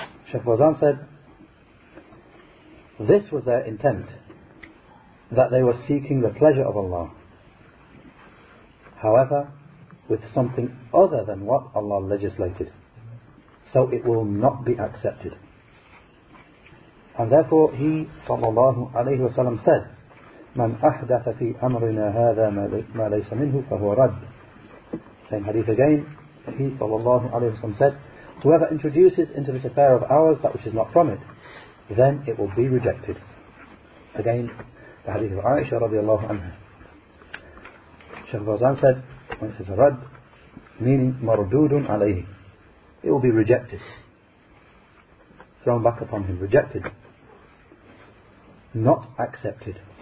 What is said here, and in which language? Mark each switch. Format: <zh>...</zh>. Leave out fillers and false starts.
<en>Sheikh Fawzan said, this was their intent, that they were seeking the pleasure of Allah. However, with something other than what Allah legislated. So it will not be accepted. And therefore he, sallallahu alayhi wa sallam, said,</en> <ar>مَنْ أَحْدَثَ فِي أَمْرِنَا هَذَا مَا لَيْسَ مِنْهُ فَهُوَ رَدْ.</ar> <en>Same hadith again. He, sallallahu alayhi wa sallam, said, whoever introduces into this affair of ours that which is not from it, then it will be rejected. Again, the hadith of Aisha radiallahu anha. Sheikh Fawzan said, when it says رَدْ, meaning</en> <ar>مَرْدُودٌ عَلَيْهِ,</ar> <en>it will be rejected, thrown back upon him, rejected, not accepted.</en>